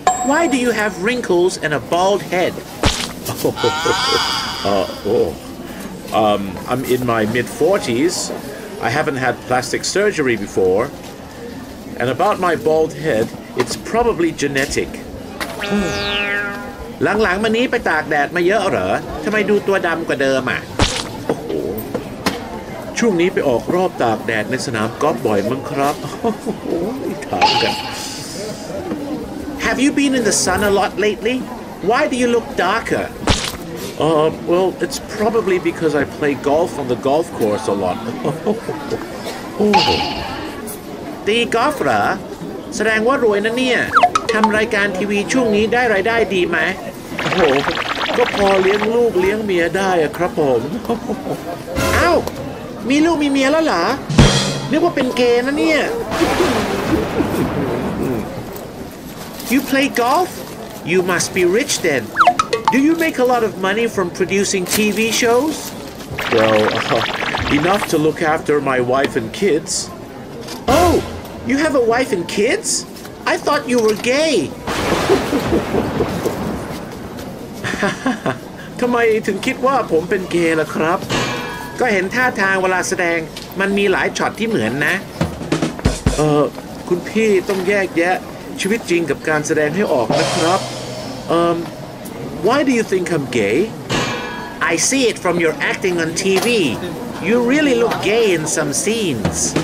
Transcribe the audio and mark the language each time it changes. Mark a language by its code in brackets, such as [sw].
[en] Why do you have wrinkles and a bald head? I'm in my mid-40s. I haven't had plastic surgery before. And about my bald head, it's probably genetic. [th] หลังๆมานี้ไปตากแดดมาเยอะเหรอทำไมดูตัวดำกว่าเดิมอ่ะ โอ้โหช่วงนี้ไปออกรอบตากแดดในสนามกอล์ฟบ่อยมั้งครับโอ้โหถามกัน [en] Have you been in the sun a lot lately? Why do you look darker? Well, it's probably because I play golf on the golf course a lot. [th] ตีกอล์ฟเหรอแสดงว่ารวยนะเนี่ยทำรายการทีวีช่วงนี้ได้รายได้ดีไหม โอ้โหก็พอเลี้ยงลูกเลี้ยงเมียได้ครับผม เอ้ามีลูกมีเมียแล้วเหรอนึกว่าเป็นเกย์นะเนี่ย [en] You play golf? You must be rich then. Do you make a lot of money from producing TV shows? Well, enough to look after my wife and kids. Oh, you have a wife and kids? I thought you were gay. [th] ทำไมถึงคิดว่าผมเป็นเกย์ล่ะครับ ก็เห็นท่าทางเวลาแสดงมันมีหลายช็อตที่เหมือนนะ คุณพี่ต้องแยกแยะชีวิตจริงกับการแสดงให้ออกนะครับ [en] Why do you think I'm gay? I see it from your acting on TV. You really look gay in some scenes.